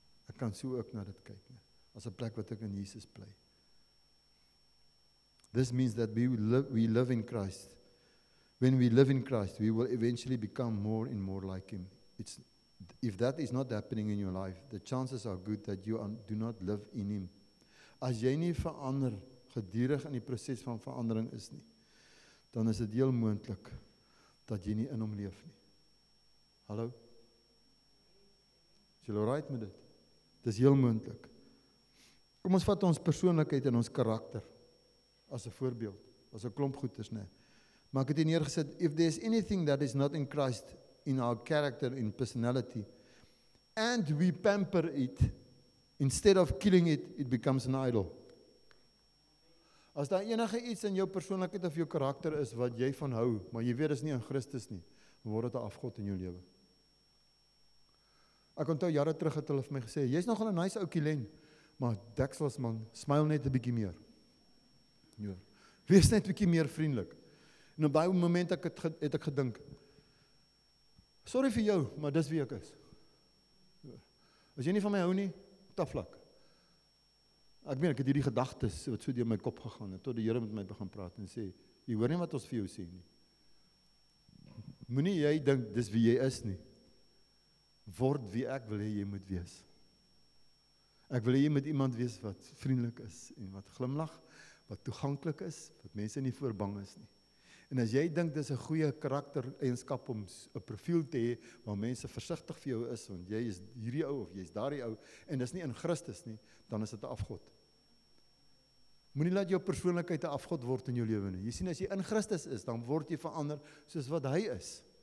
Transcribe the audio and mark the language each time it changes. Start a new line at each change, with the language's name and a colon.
Afrikaans: Ek kan so ook na dit kyk, nie, as 'n plek wat ek in Jesus bly.
English: This means that we live in Christ. When we live in Christ, we will eventually become more and more like Him. If that is not happening in your life, the chances are good that you do not live in Him.
Afrikaans: As jy nie verander, gedurig in die proses van verandering is nie, dan is dit heel moontlik dat jy nie in Hom leef nie. Hallo? Is julle right met dit? Dit is heel moontlik. Kom ons vat ons persoonlikheid en ons karakter. As 'n voorbeeld, as 'n klomp goeders nê. Maar ek het hier neergesit,
English: if there is anything that is not in Christ in our character in personality and we pamper it instead of killing it, it becomes an idol.
Afrikaans: As daar enige iets in jou persoonlikheid of jou karakter is wat jy van hou, maar jy weet dit is nie in Christus nie, word dit 'n afgod in jou lewe. Ek onthou jare terug het hulle vir my gesê, jy's nogal 'n nice oukie Len, maar deksels man, smile net 'n bietjie meer. Ja, wees net 'n bietjie meer vriendelik. En op daai oomblik het ek gedink, sorry vir jou, maar dis wie ek is. As jy nie van my hou nie, taflak. Ek meen, ek het hierdie gedagtes wat so deur my kop gegaan het, tot die Here met my begin praat en sê, jy hoor nie wat ons vir jou sê nie. Moenie jy dink dis wie jy is nie. Word wie ek wil hê jy moet wees. Ek wil hê jy moet iemand wees wat vriendelik is en wat glimlag. Wat toeganklik is, wat mense nie voor bang is nie. En as jy dink dis 'n goeie karaktereienskap om 'n profiel te hê waar mense versigtig vir jou is, want jy is hierdie ou of jy is daardie ou en dis nie in Christus nie, dan is dit 'n afgod. Moenie laat jou persoonlikheid 'n afgod word in jou lewe nie. Jy sien as jy in Christus is, dan word jy verander soos wat hy is.